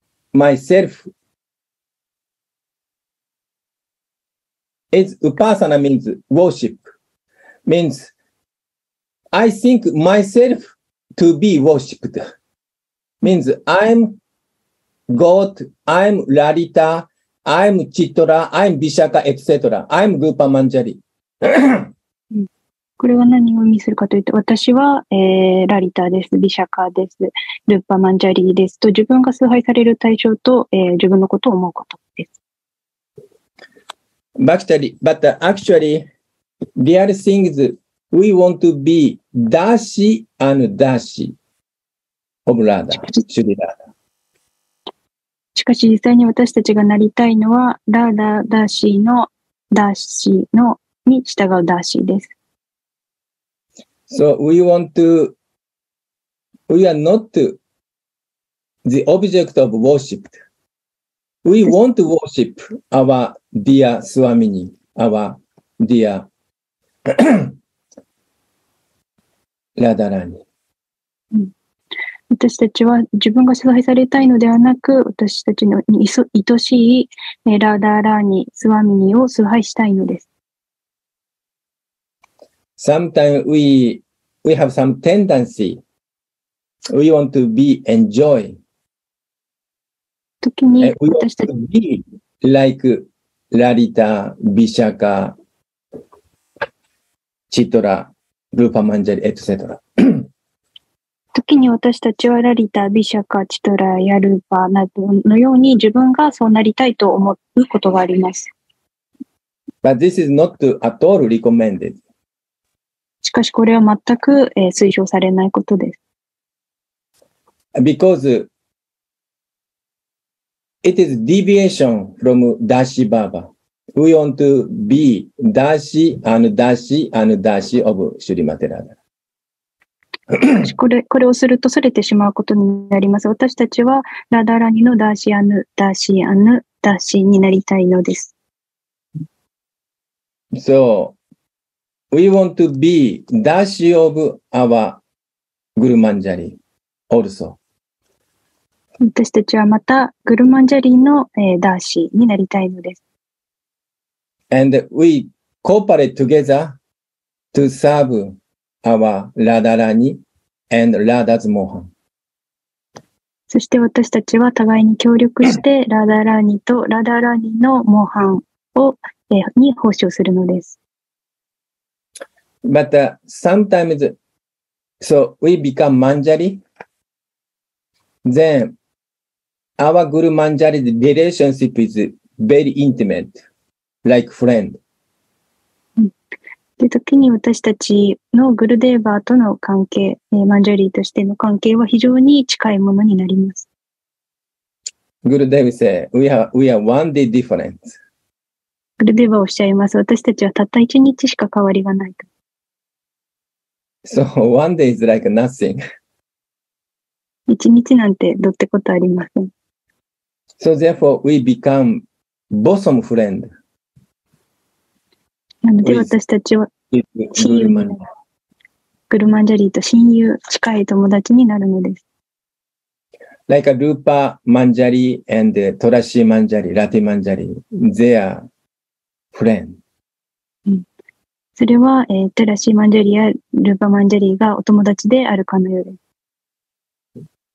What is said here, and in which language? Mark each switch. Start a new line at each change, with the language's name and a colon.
English: Myself is upasana means worship, means I think myself to be worshipped, means I'm God, I'm Lalita, I'm Chitra, I'm Vishaka, etc. I'm Rupa Manjari.
Japanese: これは何を意味するかというと、私は、ラリタです、ビシャカです、ルッパマンジャリーですと、自分が崇拝される対象と、自分のことを思うことです。
English: But actually, real things, we want to be Dashi and Dashi of Radha, Shri Radha.
Japanese: しかし実際に私たちがなりたいのは、ラダ、ダーシーの、ダーシーの、に従うダーシーです。
English: So we want to, we are not the object of worship. We want to worship our dear Swamini, our dear Radharani.
Japanese: 私たちは自分が崇拝されたいのではなく、私たちの愛しいラダラーニ、スワミニを崇拝したいのです。
English: Sometimes we have some tendency. We want to be enjoy.
Japanese: 時に私たち
English: we want to be like Lalita, Vishaka, Chitra, Rupa Manjari, etc.
Japanese: 時に私たちはラリタ、ビシャカ、チトラ、ヤルパなどのように自分がそうなりたいと思うことがあります。
English: But this is not at all recommended.
Japanese: しかしこれは全く、推奨されないことです。
English: Because it is deviation from Dashi Baba. We want to be Dashi and Dashi and Dashi of Shri Materada.
Japanese: これをするとそれてしまうことになります。私たちはラダラニのダーシアヌ、ダーシアヌ、ダーシになりたいのです。
English: So,We want to be dashi of our Guru Manjari also.
Japanese: 私たちはまた Guru Manjari の dashi になりたいのです。
English: And we cooperate together to serve our Radharani and Radha's Mohan.
Japanese: そして私たちは互いに協力して Radharani と Radharani の Mohan を、に奉仕をするのです。
English: But sometimes, so we become Manjari, then our Guru Manjari's relationship is very intimate, like friend.
Japanese: で、時に私たちのグルデーバーとの関係、マンジャリーとしての関係は非常に近いものになります。
English: グルデーバー says, we are one day different.
Japanese: グルデーバーおっしゃいます。私たちはたった一日しか変わりがないと。
English: So one day is like nothing.
Japanese: 一日なんてどってことありません。
English: So therefore we become bosom friend.
Japanese: なので私たちは親友グルマンジャリーと親友、近い友達になるのです。
English: Like a Rupa Manjari and Torashi Manjari, Lati Manjari, they are friends.
Japanese: それは、トラシーマンジャリーやルーパーマンジャリーがお友達であるかのようです。